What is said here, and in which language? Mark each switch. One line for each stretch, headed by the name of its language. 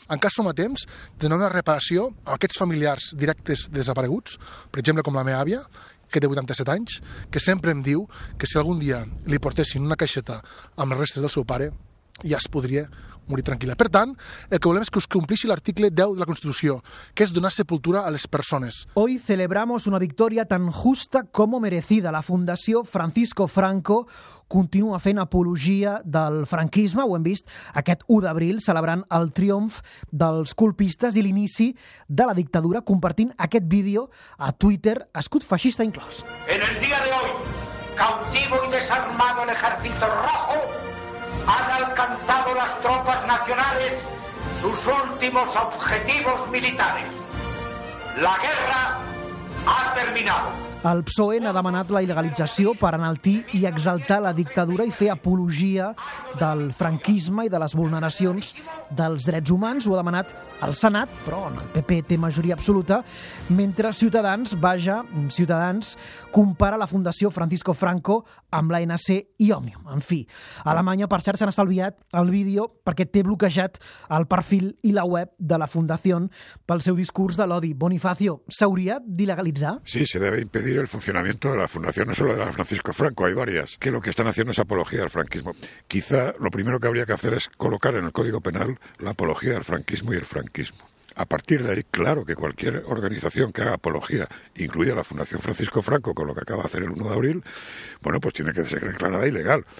Catalan: En cas som a temps de donar una reparació a aquests familiars directes desapareguts, per exemple, com la meva àvia, que té 87 anys, que sempre em diu que si algun dia li portessin una caixeta amb les restes del seu pare, ja es podria morir tranquil·la. Per tant, el que volem és que us complixi l'article 10 de la Constitució, que és donar sepultura a les persones.
Spanish: Hoy celebramos una victoria tan justa como merecida.
Catalan: La Fundació Francisco Franco continua fent apologia del franquisme, ho hem vist aquest 1 d'abril, celebrant el triomf dels colpistes i l'inici de la dictadura, compartint aquest vídeo a Twitter, escut feixista inclòs.
Spanish: En el dia de hoy, cautivo y desarmado el ejército rojo, han alcanzado las tropas nacionales sus últimos objetivos militares. La guerra ha terminado.
Catalan: El PSOE ha demanat la il·legalització per enaltir i exaltar la dictadura i fer apologia del franquisme i de les vulneracions dels drets humans. Ho ha demanat el Senat, però on el PP té majoria absoluta, mentre Ciutadans, vaja, Ciutadans, compara la Fundació Francisco Franco amb l'ANC i Òmnium. En fi, a Alemanya, per cert, s'han estalviat el vídeo perquè té bloquejat el perfil i la web de la Fundació pel seu discurs de l'odi. Bonifacio, s'hauria d'il·legalitzar?
Spanish: Sí, se debe impedir el funcionamiento de la fundación, no solo de la Francisco Franco, hay varias, que lo que están haciendo es apología del franquismo. Quizá lo primero que habría que hacer es colocar en el Código Penal la apología del franquismo y el franquismo. A partir de ahí, claro que cualquier organización que haga apología, incluida la Fundación Francisco Franco, con lo que acaba de hacer el 1 de abril, bueno, pues tiene que ser declarada ilegal.